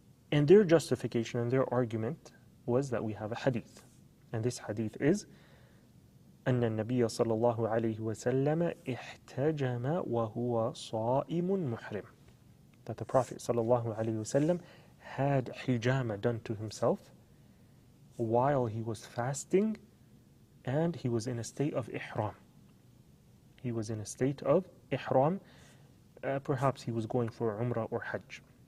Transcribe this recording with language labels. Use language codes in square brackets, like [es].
[en] And their justification and their argument was that we have a hadith. And this hadith is, [ar] أن النبي صلى الله عليه وسلم احتجم وهو صائم محرم. [en] That the Prophet [ar] صلى الله عليه وسلم [en] had hijama done to himself while he was fasting, and he was in a state of ihram. He was in a state of ihram. Perhaps he was going for umrah or hajj.